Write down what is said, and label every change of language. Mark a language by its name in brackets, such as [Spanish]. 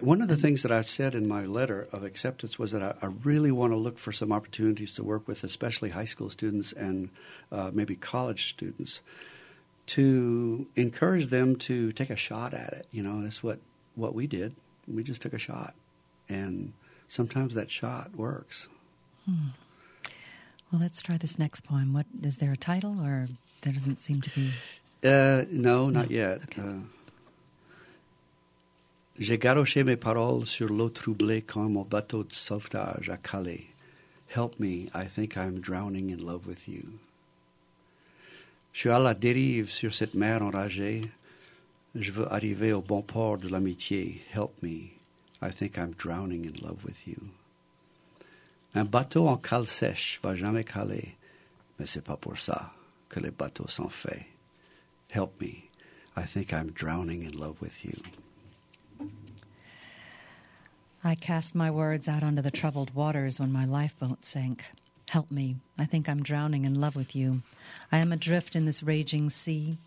[English] One of the things that I said in my letter of acceptance was that I really want to look for some opportunities to work with, especially high school students and maybe college students, to encourage them to take a shot at it. You know, that's what we did. We just took a shot. And sometimes that shot works. Hmm. Well, let's try this next poem. What is there a title, or there doesn't seem to be? No, not yet. Okay. [French] J'ai garroché mes paroles sur l'eau troublée comme mon bateau de sauvetage à Calais. [English] Help me, I think I'm drowning in love with you. [French] Je suis à la dérive sur cette mer enragée. Je veux arriver au bon port de l'amitié. [English] Help me, I think I'm drowning in love with you. [French] Un bateau en cale sèche va jamais caler, mais c'est pas pour ça que les bateaux sont faits. [English] Help me, I think I'm drowning in love with you. I cast my words out onto the troubled waters when my lifeboat sank. Help me, I think I'm drowning in love with you. I am adrift in this raging sea.